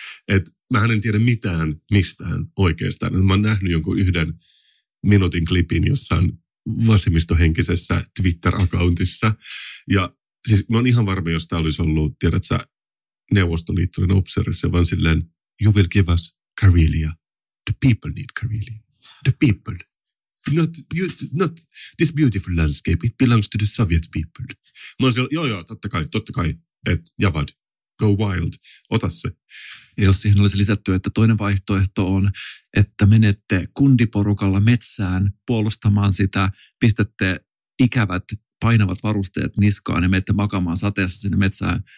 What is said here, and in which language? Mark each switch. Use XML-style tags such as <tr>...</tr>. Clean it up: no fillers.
<fi>Että mä en tiedä mitään mistään oikeastaan. Mä oon nähnyt jonkun yhden minuutin klipin jossain vasemmistohenkisessä Twitter-accountissa. Ja siis mä oon ihan varma, jos tää olisi ollut, tiedät sä, Neuvostoliittoinen upseerissa, vaan silleen,</fi> <en>you will give us Karelia. The people need Karelia. The people. Not this beautiful landscape, it belongs to the Soviet people.</en> <fi>Mä olisin, joo, totta kai, että Javad,</fi> <en>go wild,</en> <fi>ota se. Ja jos siihen olisi lisätty, että toinen vaihtoehto on, että menette kundiporukalla metsään puolustamaan sitä, pistätte ikävät, painavat varusteet niskaan ja menette makaamaan sateessa sinne metsään.</fi>